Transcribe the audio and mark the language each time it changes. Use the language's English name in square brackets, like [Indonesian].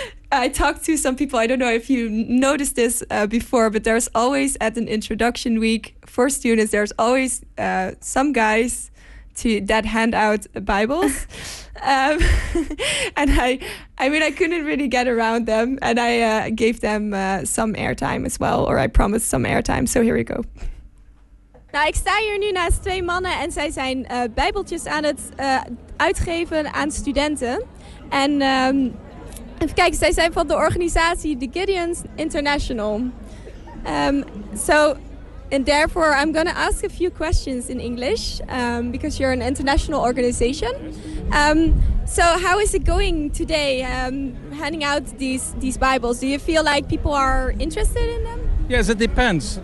[English] I talked to some people, I don't know if you noticed this before, but there's always at an introduction week for students, there's always some guys that hand out Bibles. And I mean, I couldn't really get around them, and I gave them some airtime as well, or I promised some airtime. So here we go. [Dutch] Nou, ik sta hier nu naast twee mannen en zij zijn bijbeltjes aan het uitgeven aan studenten. En even kijken, zij zijn van de organisatie The Gideons International. [English] So, and therefore I'm going to ask a few questions in English, because you're an international organization. So how is it going today, handing out these Bibles? Do you feel like people are interested in them? Yes, it depends.